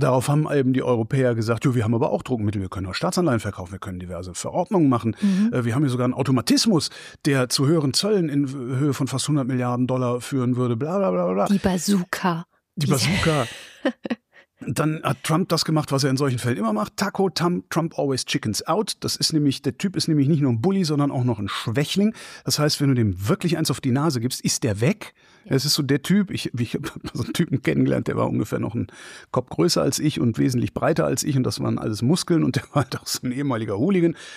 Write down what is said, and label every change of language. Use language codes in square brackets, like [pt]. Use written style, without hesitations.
[de] Darauf haben eben die Europäer gesagt, jo, wir haben aber auch Druckmittel, wir können auch Staatsanleihen verkaufen, wir können diverse Verordnungen machen. Mhm. Wir haben hier sogar einen Automatismus, der zu höheren Zöllen in Höhe von fast 100 Milliarden Dollar führen würde. Bla, bla, bla, bla. Die Bazooka. Die Bazooka. Dann hat Trump das gemacht, was er in solchen Fällen immer macht. [en] Taco, Tam, Trump always chickens out. [de] Das ist nämlich, der Typ ist nämlich nicht nur ein Bully, sondern auch noch ein Schwächling. Das heißt, wenn du dem wirklich eins auf die Nase gibst, ist der weg. Ja. Es ist so der Typ, ich habe so einen Typen kennengelernt, der war ungefähr noch einen Kopf größer als ich und wesentlich breiter als ich. Und das waren alles Muskeln und der war halt auch so ein ehemaliger Hooligan.